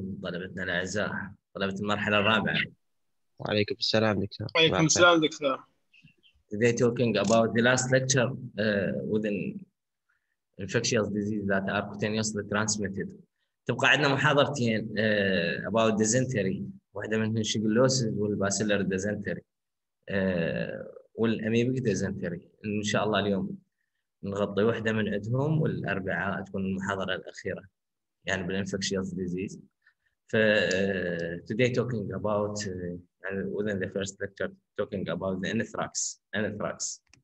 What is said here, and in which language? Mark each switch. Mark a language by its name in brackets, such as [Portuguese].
[Arabic] طلبتنا الأعزاء، طلبة المرحلة الرابعة. وعليكم السلام دكتور، وعليكم مرحبا. السلام دكتور. [English] Today talking about the last lecture within infectious disease that are cutaneously transmitted. [Arabic] تبقى عندنا محاضرتين [English] about dysentery، [Arabic] واحدة منهم الشيغلوسيس والباسيلر dysentery والأميبيك dysentery. إن شاء الله اليوم نغطي واحدة من عندهم، والأربعاء تكون المحاضرة الأخيرة يعني بالانفكشيوس ديزيز. [English] ف today talking about within the first lecture talking about the anthrax.